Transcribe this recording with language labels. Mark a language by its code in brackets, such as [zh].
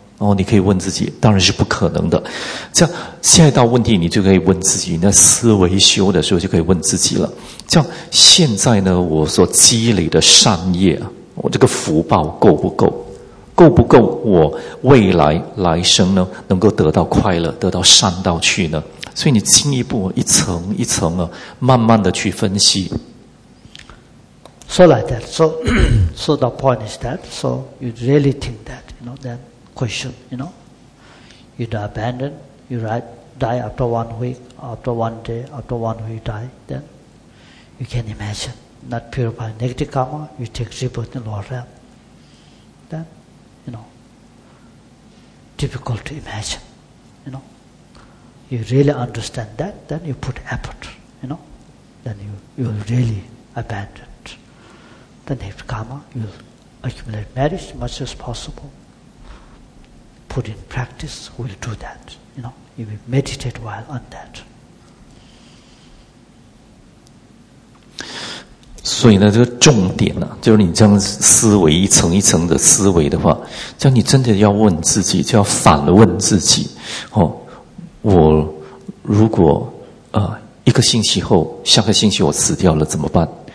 [zh] 哦，你可以问自己，当然是不可能的。这样下一道问题你就可以问自己，你在思维修的时候就可以问自己了。这样现在呢，我所积累的善业，我这个福报够不够？够不够我未来来生呢能够得到快乐，得到善道去呢？所以你进一步一层一层啊，慢慢的去分析。 [en] So like that. So the point is that, so you really think that, you know, that question, you know. You die abandoned, you die after 1 week, after 1 day, after 1 week you die, then you can imagine, not purified negative karma, you take rebirth in lower realm. Then, you know, difficult to imagine, you know. You really understand that, then you put effort, you know, then you will really abandon. The next karma, you will accumulate merit as much as possible. Put in practice, we'll do that, you know, you will meditate while on that. [zh] 所以呢，这个重点呢、啊，就是你这样思维一层一层的思维的话，这样你真的要问自己，就要反问自己，哦。我如果一个星期后下个星期我死掉了怎么办？